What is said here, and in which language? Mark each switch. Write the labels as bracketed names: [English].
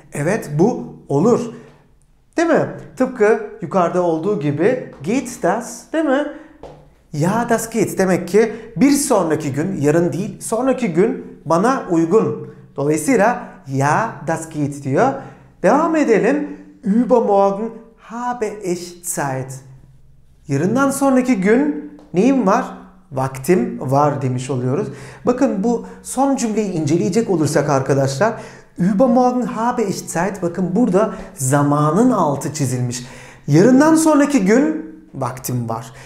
[Turkish] Evet, bu olur. Değil mi? Tıpkı yukarıda olduğu gibi [German] geht das, [Turkish] değil mi? [German] Ja, das geht. [Turkish] Demek ki bir sonraki gün, yarın değil, sonraki gün bana uygun. Dolayısıyla [German] ja, das geht [Turkish] diyor. Devam edelim. [German] Übermorgen habe ich Zeit. [Turkish] Yarından sonraki gün neyim var? Vaktim var demiş oluyoruz. Bakın bu son cümleyi inceleyecek olursak arkadaşlar, [German] übermorgen habe ich Zeit. [Turkish] Bakın burada zamanın altı çizilmiş. Yarından sonraki gün vaktim var.